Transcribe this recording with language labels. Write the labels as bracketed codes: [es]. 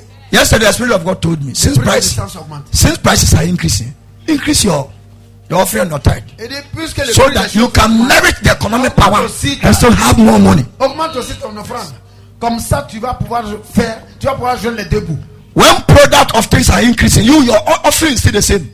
[en] Yesterday, the Spirit of God told me, since prices are increasing, increase your offering or tithe. So that you can merit the economic power and still have more money. [fr] Augmente aussi ton offrande. Comme ça, tu vas pouvoir faire, tu vas pouvoir joindre les deux bouts. [en] When product of things are increasing, you, your offering is still the same.